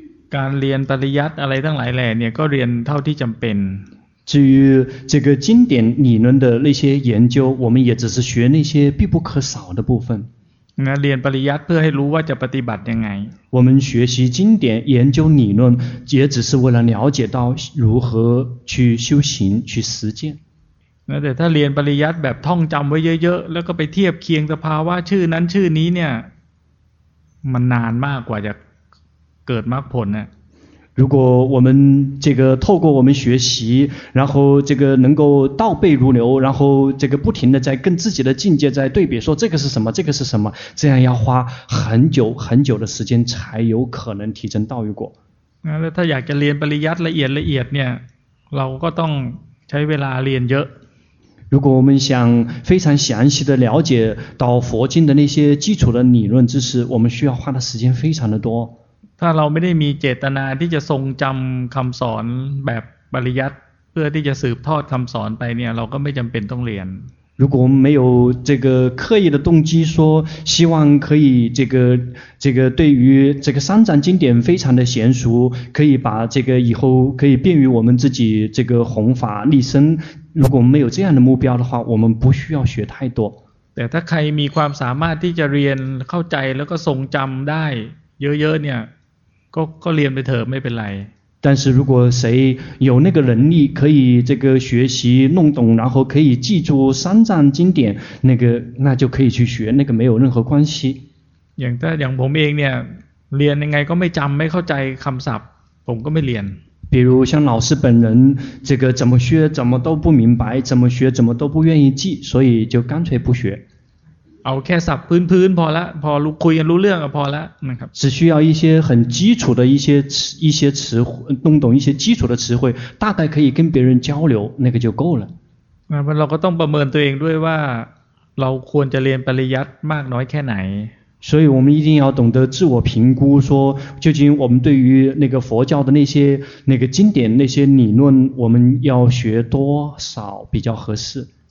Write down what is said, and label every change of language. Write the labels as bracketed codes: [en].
[th] การเรียนปริยัติอะไรทั้งหลายแหล่เนี่ยก็เรียนเท่าที่จำเป็น [zh] 至于这个经典理论的那些研究我们也只是学那些必不可少的部分 [th] นะเรียนปริยัติเพื่อให้รู้ว่าจะปฏิบัติยังไง [zh] 我们学习经典研究理论也只是为了了解到如何去修行去实践 [th] นะแต่ถ้าเรียนปริยัติแบบท่องจำไว้เยอะๆแล้วก็ไปเทียบเคียงสภาวะชื่อนั้นชื่อนี้เนี่ยมันนานมากกว่าจะเกิดมรรคผลน่ะ [zh] 如果我们这个透过我们学习然后这个能够倒背如流然后这个不停的在跟自己的境界在对比说这个是什么这个是什么这样要花很久很久的时间才有可能提升道与果 [th] 那ถ้าอยากจะเรียนปริยัติละเอียดเนี่ยเราก็ต้องใช้เวลาเรียนเยอะ [zh] 如果我们想非常详细的了解到佛经的那些基础的理论知识我们需要花的时间非常的多 [th] ถ้าเราไม่ได้มีเจตนาที่จะทรงจำคำสอนแบบปริยัติเพื่อที่จะสืบทอดคำสอนไปเนี่ยเราก็ไม่จำเป็นต้องเรียน [zh] 如果没有这个刻意的动机说希望可以这个对于这个三藏经典非常的娴熟可以把这个以后可以便于我们自己这个弘法立身如果没有这样的目标的话我们不需要学太多 [th] แต่ถ้าใครมีความสามารถที่จะเรียนเข้าใจแล้วก็ทรงจำได้เยอะๆเนี่ยก็เรียนไปเถอะไม่เป็นไร [zh] 但是如果谁有那个能力可以这个学习弄懂然后可以记住三藏经典那就可以去学那个没有任何关系 [th] อย่างผมเองเนี่ยเรียนยังไงก็ไม่จำไม่เข้าใจคำศัพท์ผมก็ไม่เรียน [zh] 比如像老师本人这个怎么学怎么都不明白怎么学怎么都不愿意记所以就干脆不学 [th] เอาแค่ศัพท์พื้นๆพอละพอคุยกันรู้เรื่องก็พอละนะครับ [zh] 只需要一些很基础的一些词弄懂一些基础的词汇大概可以跟别人交流那个就够了 [th] เราก็ต้องประเมินตัวเองด้วยว่าเราควรจะเรียนปริยัติมากน้อยแค่ไหน [zh] 所以我们一定要懂得自我评估说究竟我们对于那个佛教的那个经典那些理论我们要学多少比较合适